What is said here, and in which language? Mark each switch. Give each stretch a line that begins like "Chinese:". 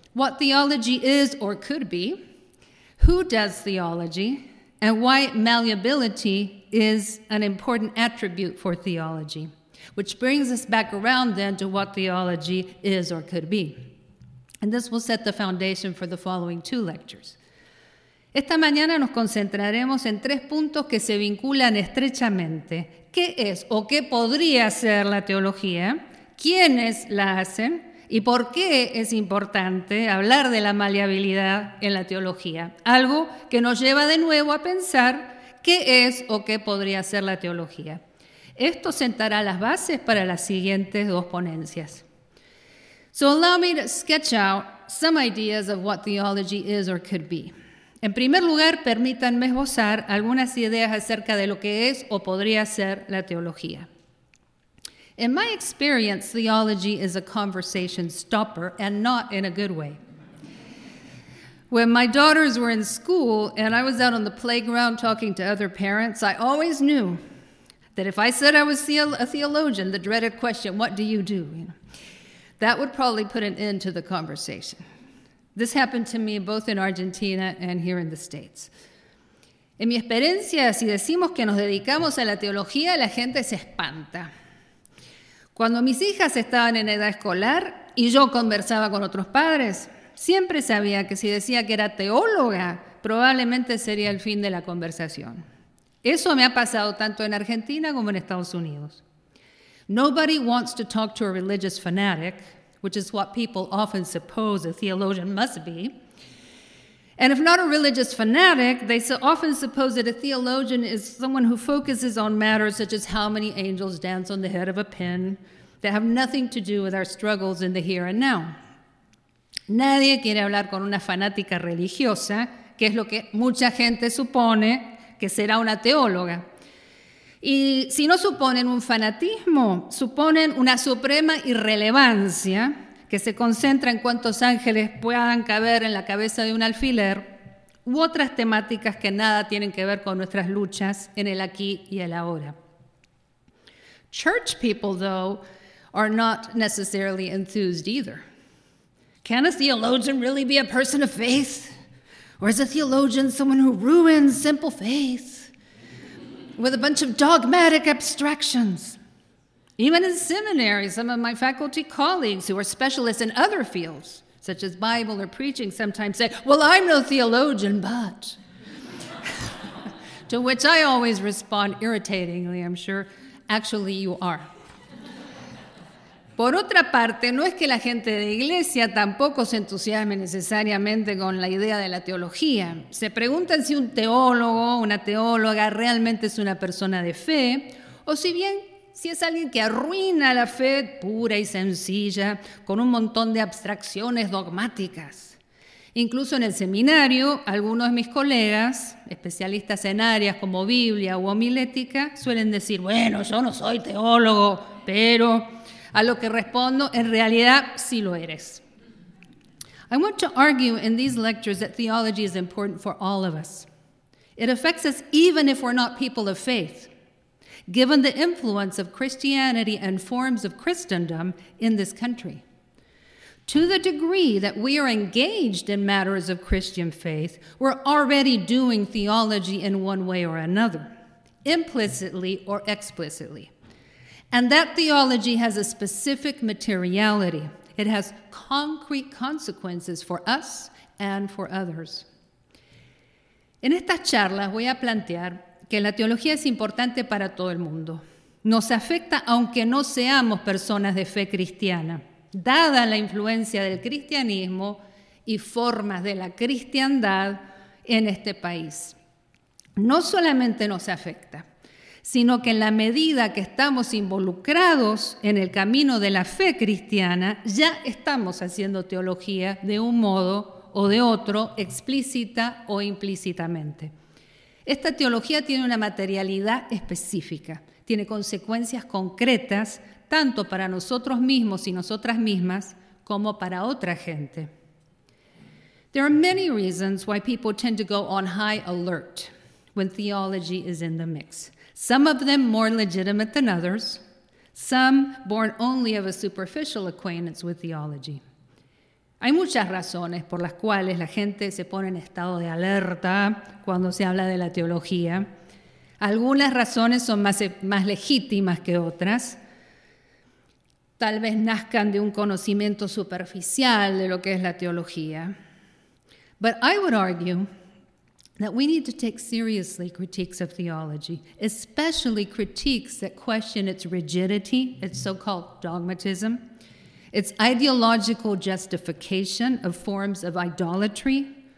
English: What theology is or could be, who does theology, and why malleability is an important attribute for theology, which brings us back around then to what theology is or could be. And this will set the foundation for the following two lectures.
Spanish: Esta mañana nos concentraremos en tres puntos que se vinculan estrechamente. ¿Qué es o qué podría ser la teología? ¿Quiénes la hacen? ¿Y por qué es importante hablar de la maleabilidad en la teología? Algo que nos lleva de nuevo a pensar qué es o qué podría ser la teología. Esto sentará las bases para las siguientes dos ponencias.
English: So allow me to sketch out some ideas of what theology is or could be.
Spanish: En primer lugar, permítanme esbozar algunas ideas acerca de lo que es o podría ser la teología.
English: In my experience, theology is a conversation stopper, and not in a good way. When my daughters were in school and I was out on the playground talking to other parents, I always knew that if I said I was a theologian, the dreaded question, what do you do? You know, that would probably put an end to the conversation. This happened to me both in Argentina and here in the States.
Spanish: En mi experiencia, si decimos que nos dedicamos a la teología, la gente se espanta. Cuando mis hijas estaban en edad escolar y yo conversaba con otros padres, siempre sabía que si decía que era teóloga, probablemente sería el fin de la conversación. Eso me ha pasado tanto en Argentina como en Estados Unidos.
English: Nobody wants to talk to a religious fanatic, which is what people often suppose a theologian must be. And if not a religious fanatic, they often suppose that a theologian is someone who focuses on matters such as how many angels dance on the head of a pin that have nothing to do with our struggles in the here and now.
Spanish: Nadie quiere hablar con una fanática religiosa, que es lo que mucha gente supone que será una teóloga. Y si no suponen un fanatismo, suponen una suprema irrelevancia que se concentra en cuántos ángeles puedan caber en la cabeza de un alfiler u otras temáticas que nada tienen que ver con nuestras luchas en el aquí y el ahora.
English: Church people, though, are not necessarily enthused either. Can a theologian really be a person of faith? Or is a theologian someone who ruins simple faith with a bunch of dogmatic abstractions? Even in seminary, some of my faculty colleagues who are specialists in other fields, such as Bible or preaching, sometimes say, well, I'm no theologian, but... to which I always respond irritatingly, I'm sure, actually you are.
Spanish: Por otra parte, no es que la gente de iglesia tampoco se entusiasme necesariamente con la idea de la teología. Se preguntan si un teólogo o una teóloga realmente es una persona de fe, o si bien si es alguien que arruina la fe pura y sencilla con un montón de abstracciones dogmáticas. Incluso en el seminario, algunos de mis colegas, especialistas en áreas como Biblia o homilética, suelen decir, bueno, yo no soy teólogo, pero... A lo que respondo, en realidad, sí lo eres.
English: I want to argue in these lectures that theology is important for all of us. It affects us even if we're not people of faith, given the influence of Christianity and forms of Christendom in this country. To the degree that we are engaged in matters of Christian faith, we're already doing theology in one way or another, implicitly or explicitly. And that theology has a specific materiality. It has concrete consequences for us and for others.
Spanish: En estas charlas voy a plantear que la teología es importante para todo el mundo. Nos afecta aunque no seamos personas de fe cristiana, dada la influencia del cristianismo y formas de la cristiandad en este país. No solamente nos afecta, sino que en la medida que estamos involucrados en el camino de la fe cristiana, ya estamos haciendo teología de un modo o de otro, explícita o implícitamente. Esta teología tiene una materialidad específica, tiene consecuencias concretas, tanto para nosotros mismos y nosotras mismas, como para otra gente.
English: There are many reasons why people tend to go on high alert when theology is in the mix. Some of them more legitimate than others, some born only of a superficial acquaintance with theology.
Spanish: Hay muchas razones por las cuales la gente se pone en estado de alerta cuando se habla de la teología. Algunas razones son más legítimas que otras. Tal vez nazcan de un conocimiento superficial de lo que es la teología.
English: But I would argue that we need to take seriously critiques of theology, especially critiques that question its rigidity, its so-called dogmatism, It's ideological justification of forms of idolatry.